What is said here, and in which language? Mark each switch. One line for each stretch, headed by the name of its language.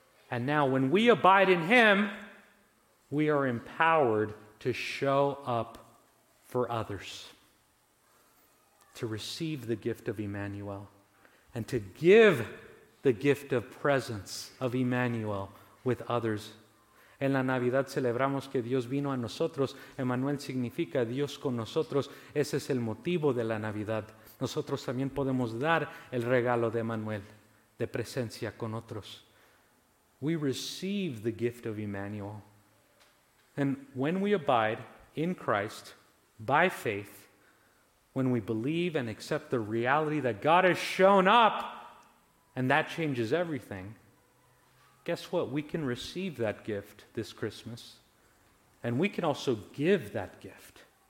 English: And now when we abide in him, we are empowered to show up for others, to receive the gift of Emmanuel, and to give the gift of presence of Emmanuel with others.
Spanish: En la Navidad celebramos que Dios vino a nosotros. Emmanuel significa Dios con nosotros. Ese es el motivo de la Navidad. Nosotros también podemos dar el regalo de Emmanuel, de presencia con otros.
English: We receive the gift of Emmanuel. And when we abide in Christ by faith, when we believe and accept the reality that God has shown up and that changes everything, guess what? We can receive that gift this Christmas, and we can also give that gift.